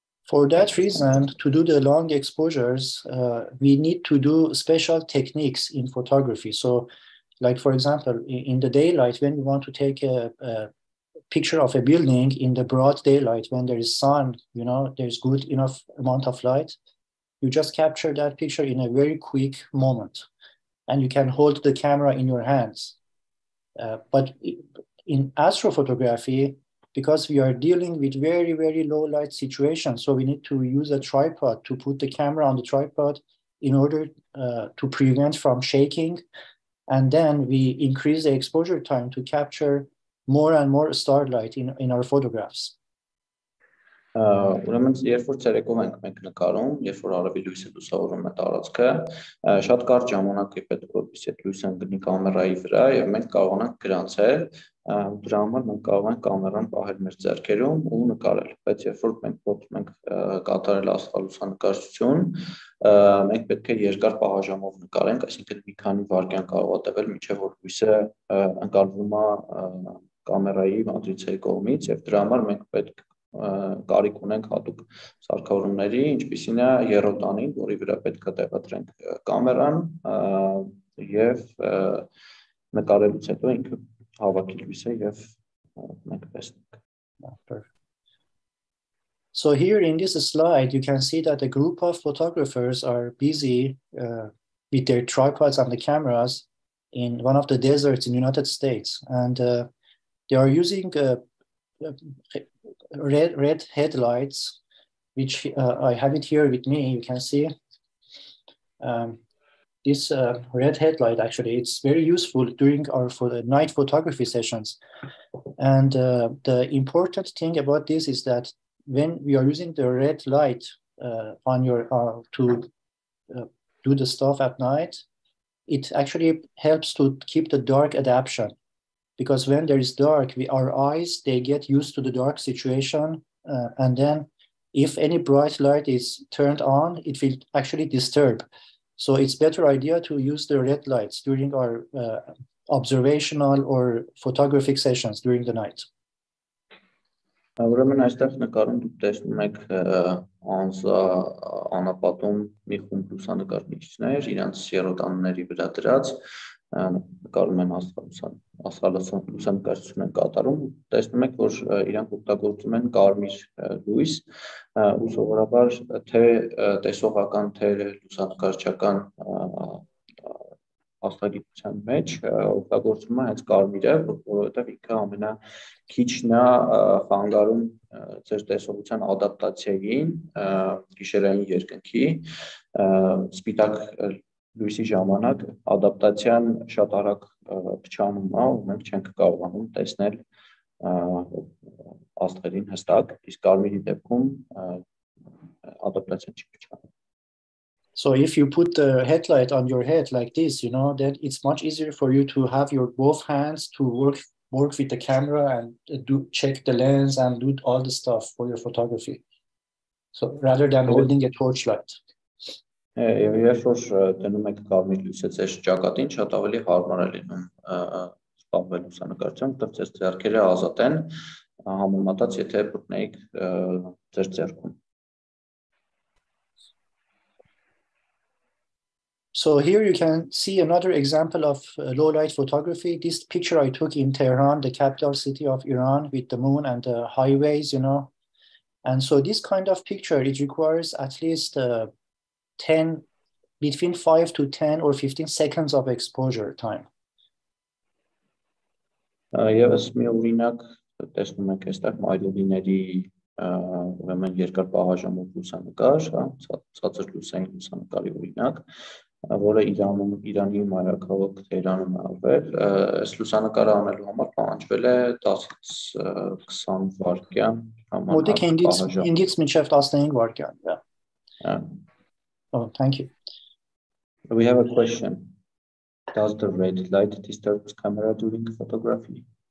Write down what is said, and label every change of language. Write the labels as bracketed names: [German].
[English] For that reason, to do the long exposures, we need to do special techniques in photography. So, like for example, in the daylight, when we want to take a picture of a building in the broad daylight, when there is sun, you know, there's good enough amount of light, you just capture that picture in a very quick moment and you can hold the camera in your hands. But in astrophotography, because we are dealing with very, very low light situations, so we need to use a tripod to put the camera on the tripod in order to prevent from shaking. And then we increase the exposure time to capture more and more starlight in our photographs. [Armenian] Ուրեմն երբ որ ցերեկով ենք մենք նկարում, երբ որ արևի լույսը լուսավորում է տարածքը, շատ կարճ ժամանակ է պետք, որպեսզի այդ լույսը ընկնի կամերայի վրա եւ մենք կարողանանք գրանցել, դրա համար մենք կարող ենք կամերան պահել մեր ձեռքերում ու նկարել, բայց երբ որ մենք փորձում ենք կատարել աստղալուսանկարչություն, մենք պետք է երկար պահաժամով նկարենք, այսինքն մի քանի վայրկյան կարող ատևել, մինչեւ որ լույսը ընկալվում է կամերայի մատրիցայի կողմից, եւ դրա համար մենք պետք կարիք ունենք հատուկ սարքավորումների, ինչպիսին է երոտանին, որի վրա պետք է տեղադրենք կամերան եւ նկարելուց հետո ինքը հավաքի լույսը եւ մենք տեսնենք. [English] So here in this slide you can see that a group of photographers are busy with their tripods and the cameras in one of the deserts in United States, and they are using red headlights, which I have it here with me. You can see this red headlight. Actually, it's very useful during our for the night photography sessions. And the important thing about this is that when we are using the red light on your to do the stuff at night, it actually helps to keep the dark adaption. Because when there is dark, our eyes, they get used to the dark situation. And then if any bright light is turned on, it will actually disturb. So it's better idea to use the red lights during our observational or photographic sessions during the night. [Armenian] Ուրեմն այստեղ նկարում դուք տեսնում եք անապատում մի խումբ լուսանկարիչներ իրանց երոտանների վրա դրած նկարում են աստղալուսանկարչություն են կատարում, տեսնում եք, որ իրանք օգտագործում են կարմիր լույս, ու սովորաբար թե տեսողական, թե լուսանկարչական աստղագիտության մեջ օգտագործվում է հենց կարմիրը, որովհետև ինքը ամենաքիչն է խանգարում ձեր տեսողության ադապտացիային գիշերային երկնքի, սպիտակ լույսի ժամանակ ադապտացիան շատ արագ փչանում է, ու մենք չենք կարողանում տեսնել աստղերին հստակ, իսկ կարմիրի դեպքում ադապտացիան չի փչանում։ [English] So if you put the headlight on your head like this, you know, then it's much easier for you to have your both hands to work with the camera and do check the lens and do all the stuff for your photography. So rather than holding a torchlight. [Armenian] Երբ որ դնում եք կարմիր լույսը ձեր ճակատին, շատ ավելի հարմար է լինում սպառվել լուսանկարչությամբ, որտեղ ձեր ձեռքերը ազատ են համեմատած, եթե բռնեիք ձեր ձեռքում։ [English] So here you can see another example of low light photography. This picture I took in Tehran, the capital city of Iran, with the moon and the highways, you know. And so this kind of picture, it requires at least 10, between 5 to 10 or 15 seconds of exposure time. Yes, I [Armenian] օրինակ տեսնում եք այստեղ մայրուղիների ուրեմն երկար պահաժամով լուսանկար, ցածր լուսային լուսանկարի օրինակ, որը Իրանի մայրաքաղաք Թեհրանում արվել, այս լուսանկարը անելու համար պահանջվել է 10-ից 20 վայրկյան համարակ պահաժամ. Ինգից մինչև 15 վայրկյան, yeah. [English] Oh, thank you. We have a question. Does the red light disturb the camera during photography?